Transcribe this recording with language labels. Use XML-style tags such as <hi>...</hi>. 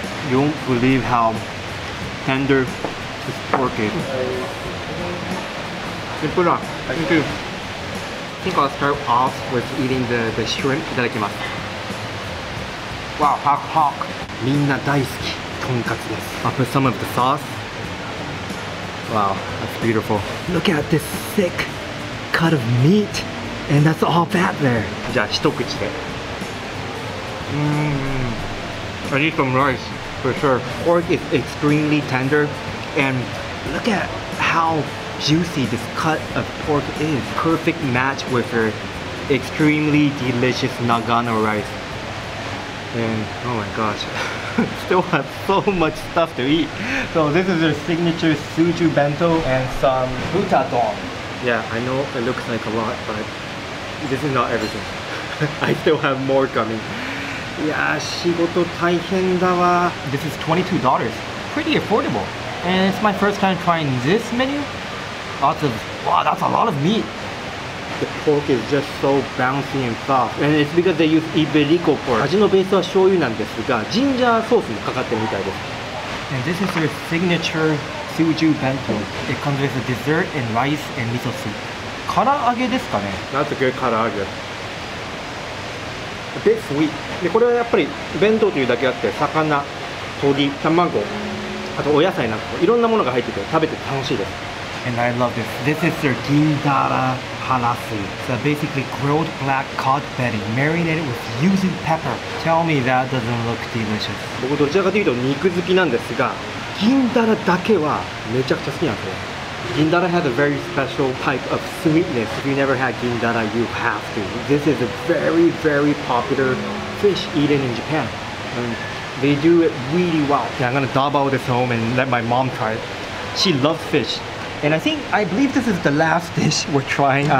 <en>You won't believe how tender this pork is. Tempura, thank you. I think I'll start off with eating the shrimp. Itadakimasu. Wow, hawk hawk.</en> <ja>みんな大好き、とんかつです。</ja> <en>I'll put some of the sauce. Wow, that's beautiful. Look at this thick cut of meat. And that's all fat there.</en> <ja>じゃあ一口で。</ja> <en>I need some rice, for sure. Pork is extremely tender. And look at how juicy this cut of pork is. Perfect match with your extremely delicious Nagano rice. And oh my gosh, still have so much stuff to eat. So this is their signature Suzhou bento and some butadon. Yeah, I know it looks like a lot, but this is not everything. I still have more coming. Yeah,</en> <ja>仕事大変だわ.</ja> <en>This is $22, pretty affordable. And it's my first time trying this menu. That's a lot of meat. The pork is just so bouncy and soft. And it's because they use Iberico pork.</en> <ja>味のベースは醤油なんですが、ジンジャーソースもかかってるみたいです。</ja> <en>And this is their signature Suzhou bento. It comes with a dessert and rice and miso soup.</en> <ja>唐揚げですかね?</ja> <en>That's a good 唐揚げ。 A bit sweet.</en> <ja>で、これはやっぱり弁当というだけあって、魚、鶏、卵、あとお野菜などいろんなものが入ってて食べて楽しいです。</ja> <en>And I love this. This is their gindara halasu. It's a basically grilled black cod belly marinated with yuzu pepper. Tell me that doesn't look delicious.</en> <ja>僕どちらかというと肉好きなんですが、gindara だけはめちゃくちゃ好きなんですよ。</ja> <en>Gindara has a very special type of sweetness. If you never had gindara, you have to. This is a very, very popular fish eaten in Japan. And they do it really well. Yeah, I'm gonna double this home and let my mom try it. She loves fish. And I believe this is the last dish we're trying.</en>